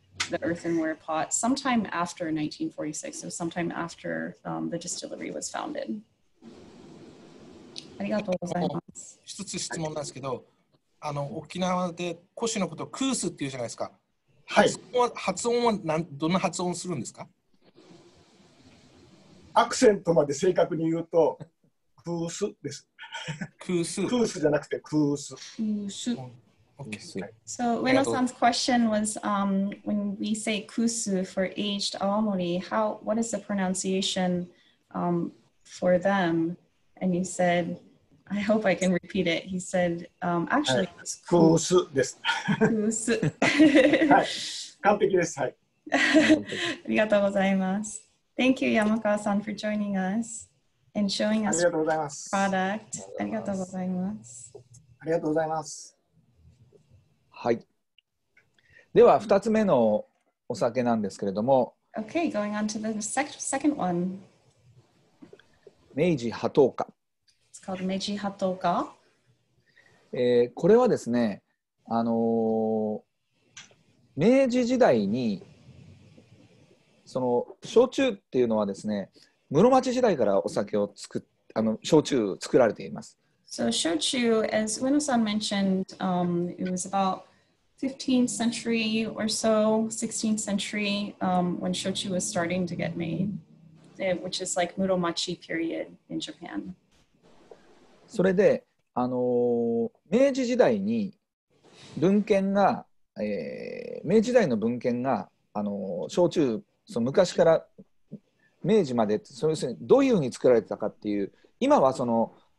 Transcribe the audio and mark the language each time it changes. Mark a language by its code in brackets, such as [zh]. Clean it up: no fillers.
[en] the earthenware pot sometime after 1946, so sometime after the distillery was founded. [ja] ありがとうございます。一つ質問なんですけど、あの沖縄で古酒のことをクースっていうじゃないですか。はい。発音はなんどんな発音するんですか？アクセントまで正確に言うとクースです。クース。クースじゃなくてクース。クース。 [en] Okay. So, Ueno-san's question was, when we say kusu for aged Aomori, what is the pronunciation for them? And he said, I hope I can repeat it. He said, actually, it's kusu. Kusu. Kusu. Yes, perfect. Yes. Thank you, Yamakawa-san, for joining us and showing us the product. Thank you. Thank you. [ja] はい、では2つ目のお酒なんですけれども、 [en] okay, going on to the second one. [ja] 明治波頭火。 [en] It's called 明治波頭火。 [ja] これはですね、明治時代にその焼酎っていうのはですね、室町時代からお酒を焼酎作られています。 [en] So, 焼酎 as Ueno-san mentioned, it was about 15th century or so, 16th century, when shochu was starting to get made, which is like Muromachi period in Japan. [ja] それで、明治時代に文献が、明治時代の文献が、焼酎、その昔から明治まで、それですね、どういうふうに作られてたかっていう、今はその、